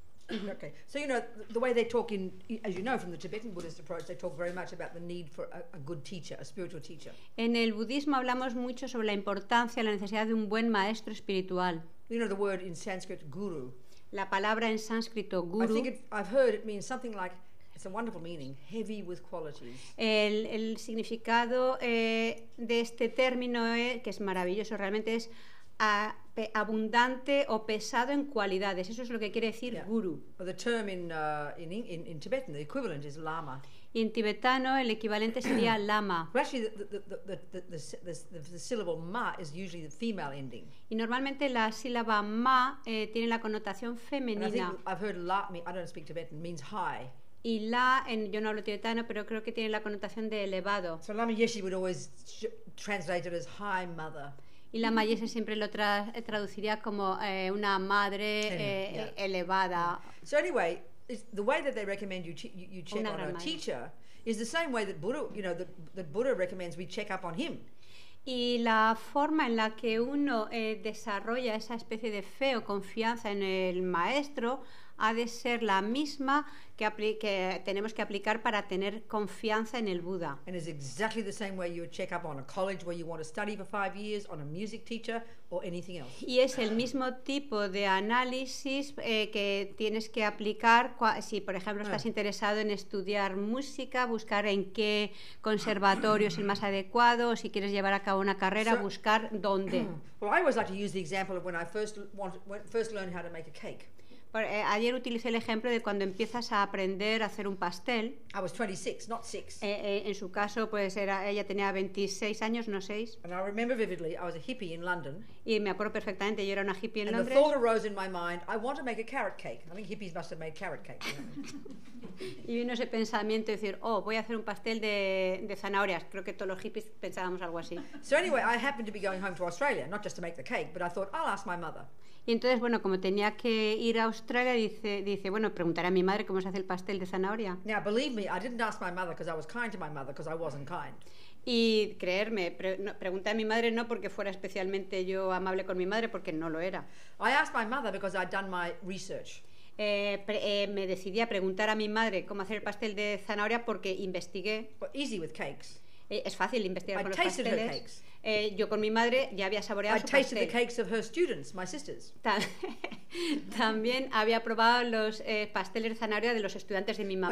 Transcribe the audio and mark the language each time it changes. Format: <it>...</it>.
<en>Okay, so you know the way they talk in, as you know from the Tibetan Buddhist approach, they talk very much about the need for a good teacher, a spiritual teacher.</en> <es>En el budismo hablamos mucho sobre la importancia, la necesidad de un buen maestro espiritual.</es> <en>You know the word in Sanskrit, guru.</en> <es>La palabra en sánscrito, guru.</es> <en>I've heard it means something like, it's a wonderful meaning, heavy with qualities.</en> <es>El significado de este término que es maravilloso realmente es abundante o pesado en cualidades. Eso es lo que quiere decir,</es> <en>yeah. Guru. Well, the term in Tibetan, the equivalent is lama.</en> <es>Y en tibetano el equivalente sería lama.</es> <en>Actually, the syllable ma is usually the female ending.</en> <es>Y normalmente la sílaba ma tiene la connotación femenina.</es> <en>And I think I've heard la, I don't speak Tibetan, means high.</en> <es>Y la, yo no hablo tibetano, pero creo que tiene la connotación de elevado.</es> <en>So Lama Yeshe would always translate it as high mother.</en> <es>Y la Mayese siempre lo traduciría como una madre elevada.</es> <en>So anyway, the way that they recommend you check on a teacher is the same way that Buddha, you know, that Buddha recommends we check up on him.</en> <es>Y la forma en la que uno desarrolla esa especie de fe o confianza en el maestro ha de ser la misma que tenemos que aplicar para tener confianza en el Buda.</es> <en>And it's exactly the same way you would check up on a college where you want to study for 5 years, on a music teacher, or anything else.</en> <es>Y es el mismo tipo de análisis que tienes que aplicar si, por ejemplo, estás interesado en estudiar música, buscar en qué conservatorio es el más adecuado, o si quieres llevar a cabo una carrera, so, buscar dónde.</es> <en>Well, I always like to use the example of when I first learned how to make a cake.</en> <es>Ayer utilicé el ejemplo de cuando empiezas a aprender a hacer un pastel.</es> <en>I was 26, not 6.</en> <es>En su caso, pues ella tenía 26 años, no 6.</es> <en>And I remember vividly, I was a hippie in London.</en> <es>Y me acuerdo perfectamente, yo era una hippie en</es> <en>and</en> <es>Londres.</es> <en>The thought arose in my mind, I want to make a carrot cake. I think hippies must have made carrot cake.</en> <es>Y vino ese pensamiento de decir, oh, voy a hacer un pastel de zanahorias. Creo que todos los hippies pensábamos algo así.</es> <en>So anyway, I happened to be going home to Australia, not just to make the cake, but I thought, I'll ask my mother.</en> <es>Y entonces, bueno, como tenía que ir a Australia, dice, bueno, preguntaré a mi madre cómo se hace el pastel de zanahoria.</es> <en>Now, believe me, I didn't ask my mother because I was kind to my mother because I wasn't kind.</en> <es>Y creerme, pregunté a mi madre no porque fuera especialmente yo amable con mi madre, porque no lo era.</es> <en>I asked my mother because I'd done my research.</en> <es>Me decidí a preguntar a mi madre cómo hacer el pastel de zanahoria porque investigué.</es> <en>But easy with cakes.</en> <es>Es fácil investigar</es> <en>I</en> <es>con los pasteles.</es> <en>I tasted her cakes.</en> <es>Yo con mi madre ya había saboreado su pastel.</es> <en>I tasted the cakes of her students, my sisters.</en> <es>También había probado los pasteles de zanahoria de los estudiantes de mi mamá,</es>